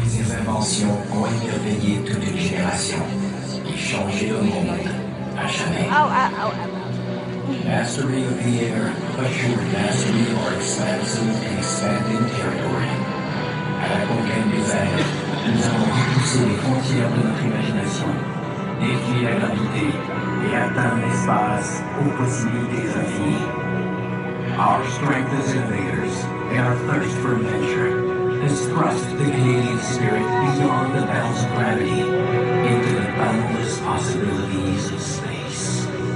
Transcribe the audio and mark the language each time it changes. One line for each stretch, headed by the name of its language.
French: Ses inventions ont émerveillé toutes les générations et changé le monde à jamais.
English: Mastery of the air, assured mastery of our expansive and expanding territory.
French: À la conquête des airs, nous avons repoussé les frontières de notre imagination, défié la gravité et atteint l'espace aux possibilités infinies.
English: Our strength as innovators and our thirst for adventure has thrust the Canadian spirit beyond the bounds of gravity into the boundless possibilities of space.